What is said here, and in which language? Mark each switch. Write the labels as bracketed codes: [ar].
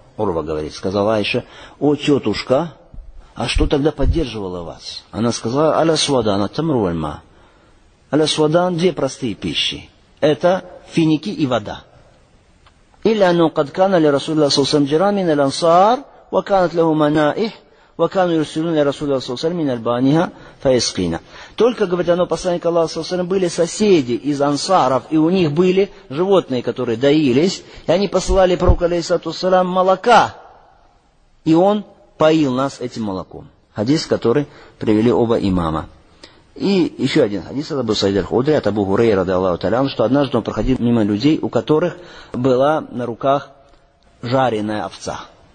[ru] Урва говорит, сказала Аиша: «О, тетушка, а что тогда поддерживало вас?» Она сказала: «Аля свадан, атамруальма». «Аля свадан» — две простые пищи. Это финики и вода. [ar] «Илля ану кадкана ли Расулла Саусамджирамин аль-Ансар, ваканат ляху манаих, وكانوا يرسلون رسول الله صلى الله عليه وسلم من البانها فيسقينا. [ru] Только, говорит, оно посланник Аллаха صلى الله عليه وسلم, были соседи из ансаров, и у них были животные, которые доились, и они посылали пророку алейхиссалату вассалям молока, и он поил нас этим молоком. Хадис, который привели оба имама. И еще один хадис от Абу Саид аль-Худри, от Абу Хурейры رضي الله تعالى عنه, что однажды он проходил мимо людей, у которых была на руках жареная овца.